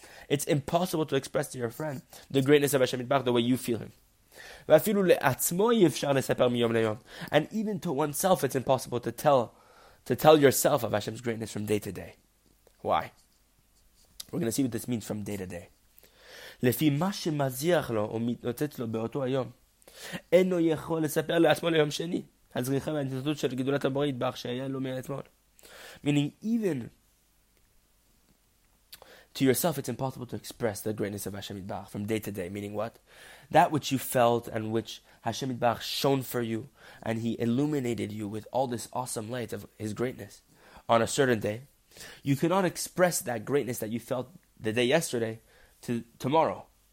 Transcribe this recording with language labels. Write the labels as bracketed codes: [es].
[en] It's impossible to express to your friend the greatness of Hashem Yitbarach the way you feel Him. And even to oneself, it's impossible to tell yourself of Hashem's greatness from day to day. Why? We're going to see what this means from day to day. [he] לפי מה שמזיח לו או מתנוצץ לו באותו היום, אינו יכול לספר לעצמו ליום שני, הזריחה והנתנתות של גדולת הבורא יתברך שהיה לו מאתמול. [en] Meaning, even to yourself, it's impossible to express the greatness of Hashem Yitbarach from day to day. Meaning what? That which you felt and which Hashem Yitbarach shone for you and He illuminated you with all this awesome light of His greatness on a certain day, you cannot express that greatness that you felt the day yesterday to tomorrow.